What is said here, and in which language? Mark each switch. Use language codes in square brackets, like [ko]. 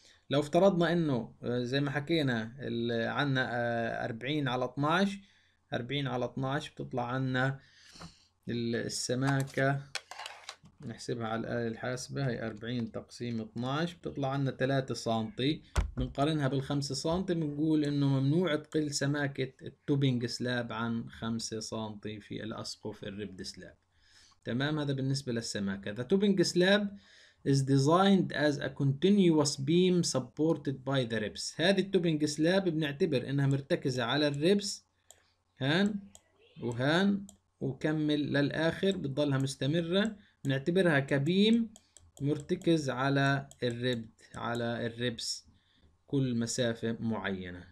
[ar] لو افترضنا انه زي ما حكينا عنا 40/12، 40/12 بتطلع عنا السماكة، نحسبها على الآلة الحاسبة، هي 40 تقسيم 12 بتطلع عنا 3 سنتي. بنقارنها بال5 سنتي، بنقول انه ممنوع تقل سماكة التوبينج سلاب عن 5 سنتي في الأسقف الريبد سلاب. تمام، هذا بالنسبة للسماكة. [en] The tubing slab is designed as a continuous beam supported by the ribs. [ar] هذه التوبينج سلاب بنعتبر انها مرتكزة على الريبس هان وهان، وكمل للآخر بتضلها مستمرة، نعتبرها كبيم مرتكز على الريبد على الريبس كل مسافة معينة.